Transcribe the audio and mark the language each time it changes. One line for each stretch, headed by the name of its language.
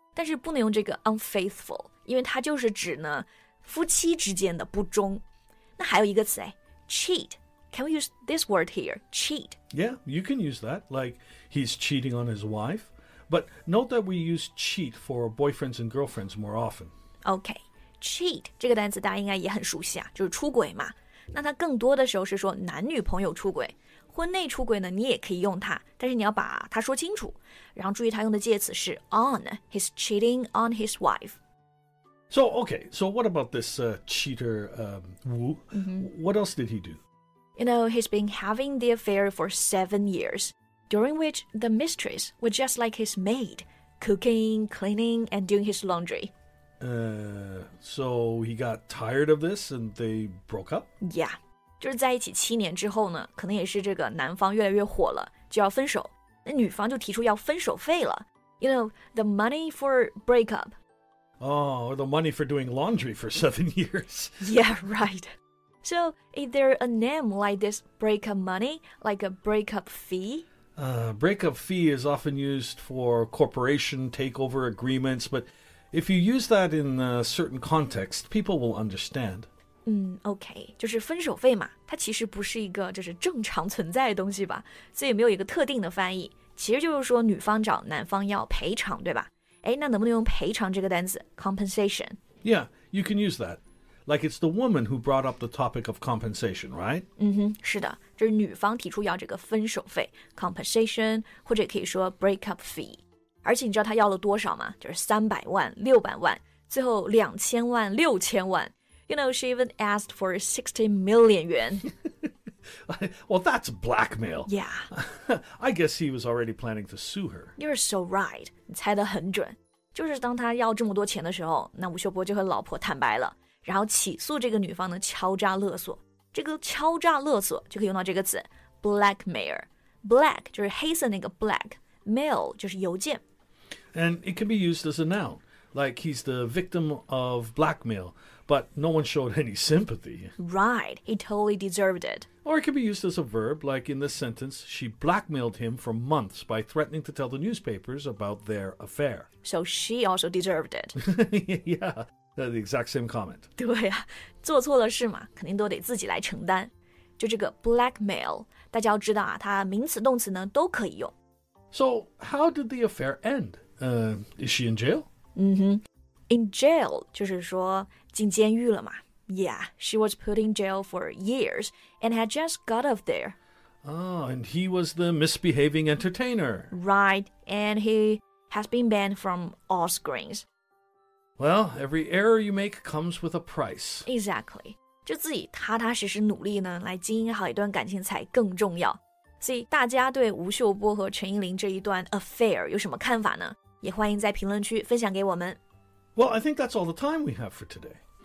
Chinese: 但是不能用这个 unfaithful, 因为它就是指呢夫妻之间的不忠。那还有一个词哎，
English: cheat. Can we use this word here, cheat? Yeah, you can use that. Like, he's cheating on his wife, But note that we use cheat for boyfriends and girlfriends more often.
Chinese: Okay, cheat 这个单词大家应该也很熟悉啊，就是出轨嘛。那它更多的时候是说男女朋友出轨，婚内出轨呢，你也可以用它，但是你要把它说清楚，然后注意它用的介词是 on.
English: He's cheating on his wife. So, okay, so what about this cheater, Wu? What else did he do? You know, he's been having the affair for 7 years, during which the mistress was just like his maid, cooking, cleaning, and doing his laundry. So he got tired of this and they broke up?
Chinese: Yeah, 就是在一起七年之后呢，可能也是这个男方越来越火了，就要分手。那女方就提出要分手费了。
English: You know, the money for breakup. Oh, or the money for doing laundry for 7 years. Yeah, right. So, is there a name like this breakup money, like a breakup fee? Breakup fee is often used for corporation takeover agreements, but if you use that in a certain context, people will understand.
Chinese: Okay, 就是分手费嘛，它其实不是一个就是正常存在的东西吧，所以没有一个特定的翻译，其实就是说女方找男方要赔偿，对吧？哎，那能不能用赔偿这个单词 compensation?
English: Yeah, you can use that. Like it's the woman who brought up the topic of compensation, right?
Chinese: 是的，就是女方提出要这个分手费 compensation, 或者可以说 breakup fee. 而且你知道她要了多少吗？就是300万、600万，最后2000万、6000万。
English: You know, she even asked for 60 million yuan. Well, that's blackmail. Yeah. I guess he was already planning to sue her. You're so right.
Chinese: 你猜得很准。就是当他要这么多钱的时候，那吴秀波就和老婆坦白了，然后起诉这个女方的敲诈勒索。这个敲诈勒索就可以用到这个词 blackmail. Black 就是黑色那个 black. Mail 就是邮件。
English: And it can be used as a noun. Like he's the victim of blackmail. But no one showed any sympathy. Right, he totally deserved it. Or it can be used as a verb, like in this sentence, she blackmailed him for months by threatening to tell the newspapers about their affair. So she also deserved it. Yeah, the exact same comment.
Chinese: 对啊，做错了事嘛，肯定都得自己来承担。就这个 blackmail, 大家要知道啊，它名词动词呢都可以用。
English: So how did the affair end? Is she in jail?
Chinese: In jail, 就是说进监狱了嘛。
English: Yeah, she was put in jail for years and had just got out of there. Oh, and he was the misbehaving entertainer. Right, and he has been banned from all screens. Well, every error you make comes with a price. Exactly.
Chinese: 就自己踏踏实实努力呢，来经营好一段感情才更重要。所以大家对吴秀波和陈依林这一段 affair 有什么看法呢？也欢迎在评论区分享给我们。
English: Well, I think that's all the time we have for today.